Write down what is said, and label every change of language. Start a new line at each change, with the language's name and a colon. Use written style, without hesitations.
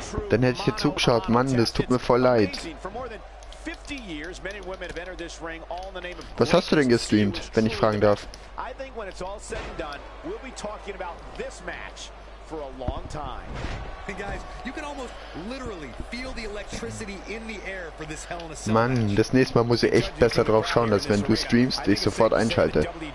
German: Dann hätte ich hier zugeschaut, Mann, das tut mir voll leid.
English: 50 years, men and women have entered this ring all in the name of.
German: Was hast du denn gestreamt, wenn ich fragen darf?
English: I think when it's all said and done, we'll be talking about this match for a long time. Hey guys, you can almost literally feel the electricity in the air for this Hell in a Cell.
German: Mann, das nächste Mal muss ich echt besser drauf schauen, dass wenn du streamst, ich sofort einschalte.